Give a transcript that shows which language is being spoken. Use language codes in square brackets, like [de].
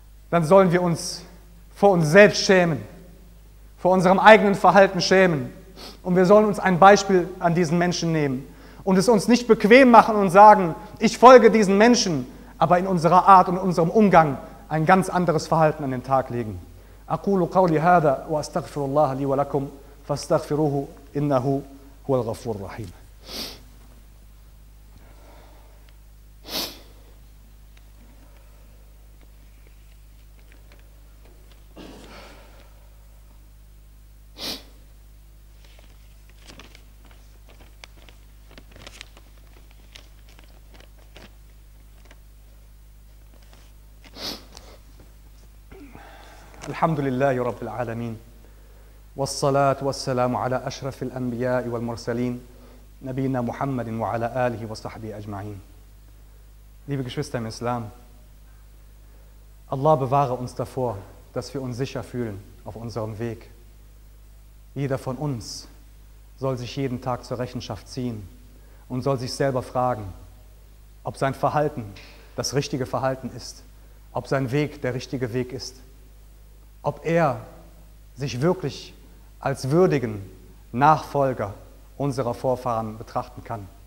[de] Dann sollen wir uns vor uns selbst schämen, vor unserem eigenen Verhalten schämen. Und wir sollen uns ein Beispiel an diesen Menschen nehmen und es uns nicht bequem machen und sagen, ich folge diesen Menschen, aber in unserer Art und unserem Umgang ein ganz anderes Verhalten an den Tag legen. [ar] أقول قولي هذا وأستغفر الله لي ولكم فاستغفروه إنه هو الغفور الرحيم. الحمد لله رب العالمين والصلاة والسلام على أشرف الأنبياء والمرسلين نبينا محمد وعلى آله وصحبه أجمعين. [de] Liebe Geschwister im Islam, Allah bewahre uns davor, dass wir uns sicher fühlen auf unserem Weg. Jeder von uns soll sich jeden Tag zur Rechenschaft ziehen und soll sich selber fragen, ob sein Verhalten das richtige Verhalten ist, ob sein Weg der richtige Weg ist, ob er sich wirklich als würdigen Nachfolger unserer Vorfahren betrachten kann.